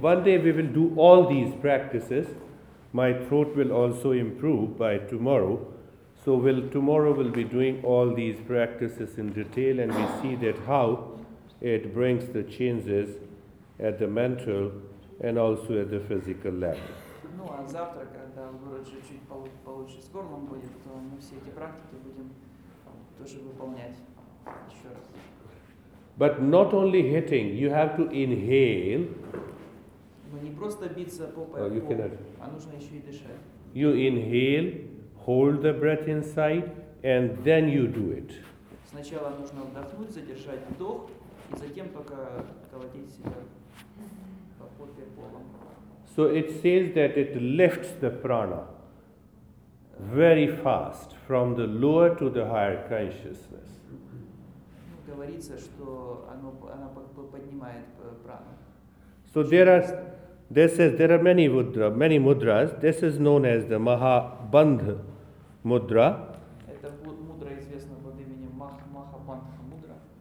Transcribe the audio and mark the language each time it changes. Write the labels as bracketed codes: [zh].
[en] One day we will do all these practices. My throat will also improve by tomorrow. So tomorrow we'll be doing all these practices in detail and we see that how it brings the changes at the mental and also at the physical level. [ru] Ну а завтра, когда Гуруджи чуть получше с горлом будет, то мы все эти практики будем тоже выполнять еще раз. [en] But not only hitting, you have to inhale. [ru] Но не просто биться попой, а нужно еще и дышать. [en] You inhale, hold the breath inside, and then you do it. [ru] Сначала нужно вдохнуть, задержать вдох, и затем только колотить себя по попе полом. [en] So it says that it lifts the prana very fast from the lower to the higher consciousness. [ru] Говорится, что она поднимает прану. [en] So there are many mudras. This is known as the Mahabandha mudra. [ru] Это мудра известна под именем Махабандха мудра.